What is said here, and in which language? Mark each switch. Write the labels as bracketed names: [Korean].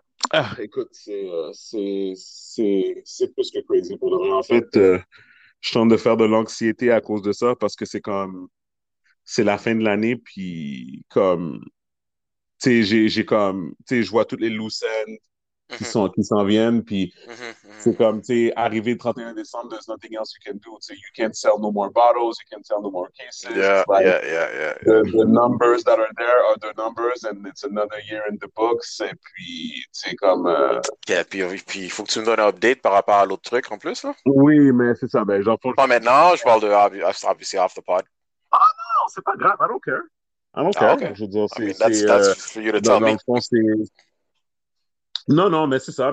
[French] Ah, écoute, c'est plus que crazy pour moi. En fait, je tente de faire de l'anxiété à cause de ça parce que c'est comme, c'est la fin de l'année, puis comme, tu sais, j'ai comme, tu sais, je vois toutes les loose ends qui s'en viennent, puis c'est comme, tu sais, arrivé le 31 décembre, [English] there's nothing else you can do. So you can't sell no more bottles, you can't sell no more cases. It's like, the numbers that are there are the numbers, and it's another year in the books. [French] Et puis, c'est comme. Puis il faut que tu me donnes un update par rapport à l'autre truc en plus, là. Oui, mais c'est ça. Ben, j'en pense. Pas maintenant, je parle de [English] obviously off the pod. [French] Ah non, c'est pas grave. Ah, OK. Je veux dire, [English] I mean, that's for you to tell me. [French] le fond, c'est. Non, mais c'est ça.